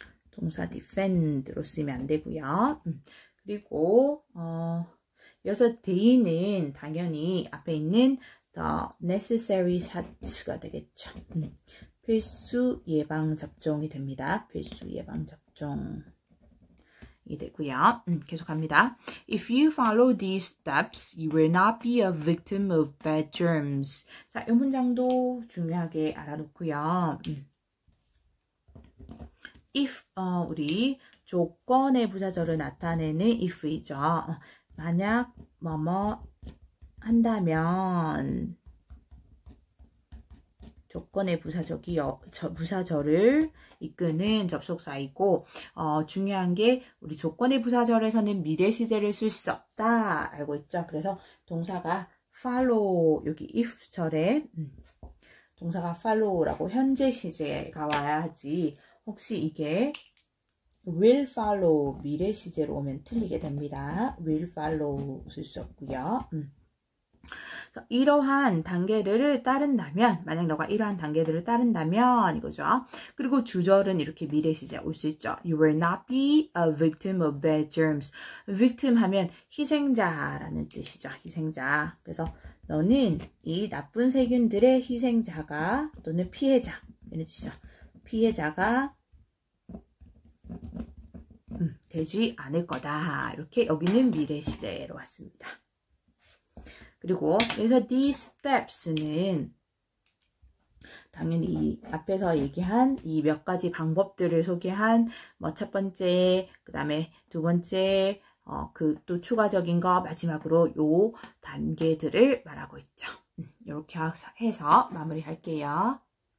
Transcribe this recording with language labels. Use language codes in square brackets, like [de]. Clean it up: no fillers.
[ko] 동사 defend로 쓰면 안 되고요. 그리고 여기서 day는 당연히 앞에 있는 the necessary shots가 되겠죠. 필수 예방 접종이 됩니다. 필수 예방 접종이 되고요. 계속 갑니다. [en] If you follow these steps, you will not be a victim of bad germs. [ko] 자, 이 문장도 중요하게 알아놓고요. If 우리 조건의 부사절을 나타내는 if이죠. 만약 뭐뭐 한다면 조건의 부사절을 이끄는 접속사이고 중요한 게 우리 조건의 부사절에서는 미래 시제를 쓸 수 없다 알고 있죠. 그래서 동사가 follow 여기 if 절에 동사가 follow라고 현재 시제가 와야지 혹시 이게 will follow 미래 시제로 오면 틀리게 됩니다. will follow 쓸 수 없고요. 이러한 단계들을 따른다면, 만약 너가 이러한 단계들을 따른다면, 이거죠. 그리고 주절은 이렇게 미래 시제에 올 수 있죠. [en] You will not be a victim of bad germs. [ko] victim 하면 희생자라는 뜻이죠. 희생자. 그래서 너는 이 나쁜 세균들의 희생자가, 또는 피해자. 이런 뜻이죠. 피해자가 되지 않을 거다. 이렇게 여기는 미래 시제로 왔습니다. 그리고 여기서 these steps는 당연히 앞에서 얘기한 이 몇 가지 방법들을 소개한 뭐 첫 번째, 그 다음에 두 번째, 그 또 추가적인 거 마지막으로 요 단계들을 말하고 있죠. 이렇게 해서 마무리할게요.